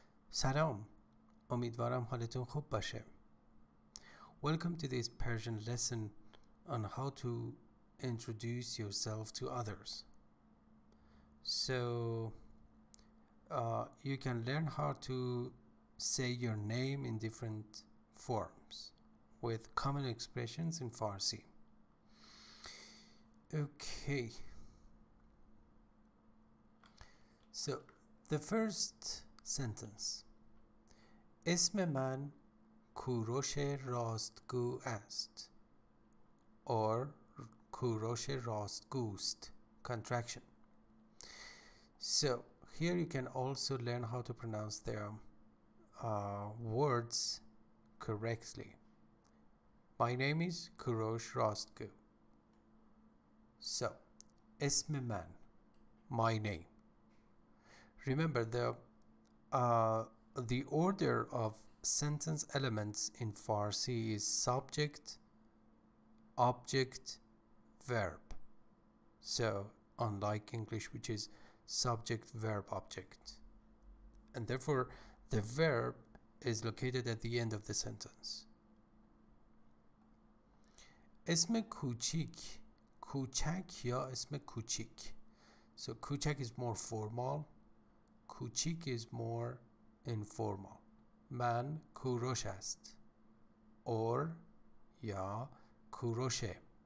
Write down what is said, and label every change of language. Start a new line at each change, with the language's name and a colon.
Persian: سلام، امیدوارم حالتون خوب باشه.
English: Welcome to this Persian lesson on how to introduce yourself to others. So you can learn how to say your name in different forms with common expressions in Farsi. Okay. So the first sentence.
Persian: اسم من کوروش راستگو است or کوروش راستگوست contraction.
English: So here you can also learn how to pronounce their words correctly. My name is Kourosh Rastgoo. So
Persian: اسم من,
English: my name. Remember the order of sentence elements in Farsi is subject, object, verb. So, unlike English, which is subject, verb, object. And therefore, the verb is located at the end of the sentence.
Persian: اسم کوچیک, کوچک یا اسم کوچیک.
English: So, کوچک is more formal. کوچیک is more informal.
Persian: من کوروش است or یا کوروشه.